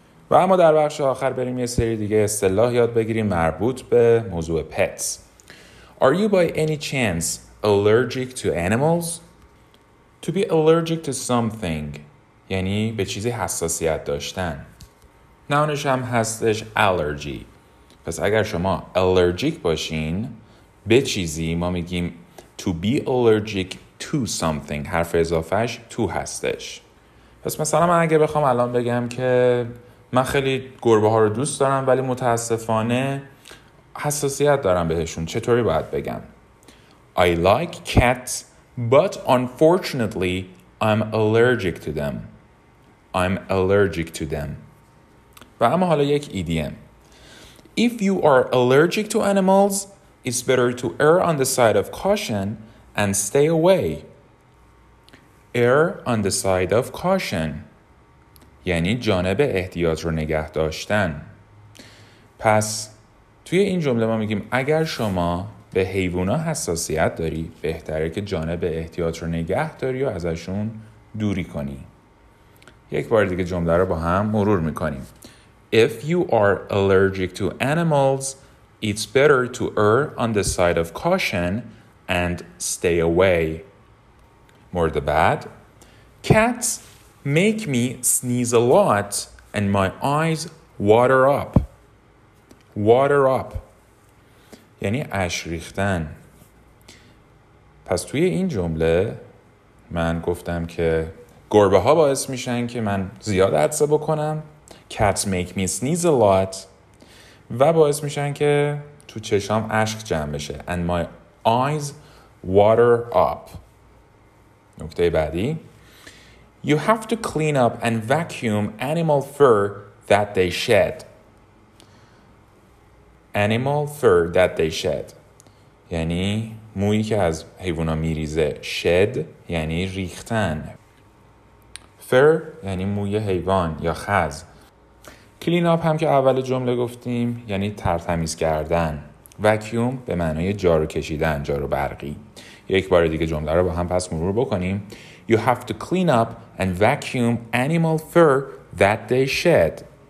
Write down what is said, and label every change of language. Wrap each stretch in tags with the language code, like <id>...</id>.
<fa>و اما در بخش آخر بریم یه سری دیگه اصطلاح یاد بگیریم مربوط به موضوع pets.</fa> <en>Are you by any chance allergic to animals? To be allergic to something</en> <fa>یعنی به چیزی حساسیت داشتن. نامش هم هستش allergy. پس اگر شما allergic باشین به چیزی ما میگیم</fa> <en>to be allergic to something،</en> <fa>حرف اضافهش to هستش. پس مثلا من اگه بخوام الان بگم که من خیلی گربه ها رو دوست دارم ولی متاسفانه حساسیت دارم بهشون، چطوری باید بگم؟</fa> <en>I like cats, but unfortunately I'm allergic to them. I'm allergic to them.</en> <fa>و اما حالا یک ایدیم.</fa> <en>If you are allergic to animals, it's better to err on the side of caution and stay away. Err on the side of caution.</en> <fa>یعنی جانب احتیاط رو نگه داشتن. پس توی این جمله ما میگیم اگر شما به حیوانا حساسیت داری، بهتره که جانب احتیاط رو نگه داری و ازشون دوری کنی. یک بار دیگه جمله رو با هم مرور میکنیم.</fa> <en>If you are allergic to animals, it's better to err on the side of caution and stay away.</en> <fa>مورد بعد.</fa> <en>Cats make me sneeze a lot and my eyes water up. Water up.</en> <fa>یعنی اش ریختن. پس توی این جمله من گفتم که گربه ها باعث میشن که من زیاد عطسه بکنم.</fa> <en>Cats make me sneeze a lot.</en> <fa>و باعث میشن که تو چشام اشک جمع بشه.</fa> <en>And my eyes water up.</en> <fa>نکته بعدی.</fa> <en>You have to clean up and vacuum animal fur that they shed. Animal fur that they shed.</en> <fa>یعنی مویی که از حیوانا میریزه. Shed یعنی ریختن. Fur یعنی موی حیوان یا خز. کلین آپ هم که اول جمله گفتیم یعنی ترتمیز کردن. وکیوم به معنای جارو کشیدن، جارو برقی. یک بار دیگه جمله رو با هم پس مرور بکنیم.</fa> <en>You have to clean up and vacuum animal fur that they shed.</en>